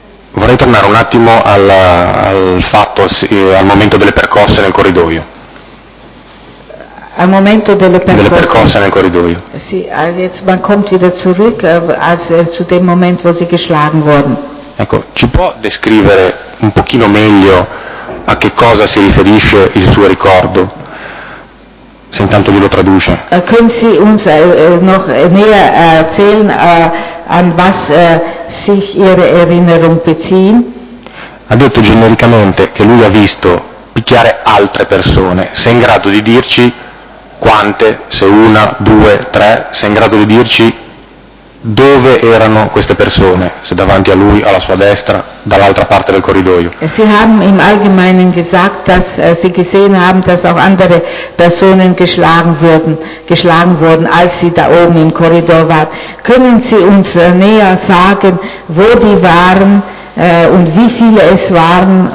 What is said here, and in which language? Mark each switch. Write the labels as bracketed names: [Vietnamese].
[Italian] Vorrei tornare un attimo al fatto, al momento delle percosse nel corridoio. Al momento delle percosse nel corridoio. [German] Sì, jetzt man kommt wieder zurück zu dem Moment, wo sie geschlagen wurden. [Italian] Ecco, ci può descrivere un pochino meglio a che cosa si riferisce il suo ricordo, se intanto glielo traduce? [German] Können Sie uns noch näher erzählen, an was sich Ihre Erinnerung beziehen? [Italian] Ha detto genericamente che lui ha visto picchiare altre persone. Sei in grado di dirci quante, se una, due, tre, sei in grado di dirci dove erano queste persone, se davanti a lui, alla sua destra, dall'altra parte del corridoio? [German] Sie haben im Allgemeinen gesagt, dass Sie gesehen haben, dass auch andere Personen geschlagen wurden, als Sie da oben im Korridor waren. Können Sie uns näher sagen, wo die waren und wie viele es waren?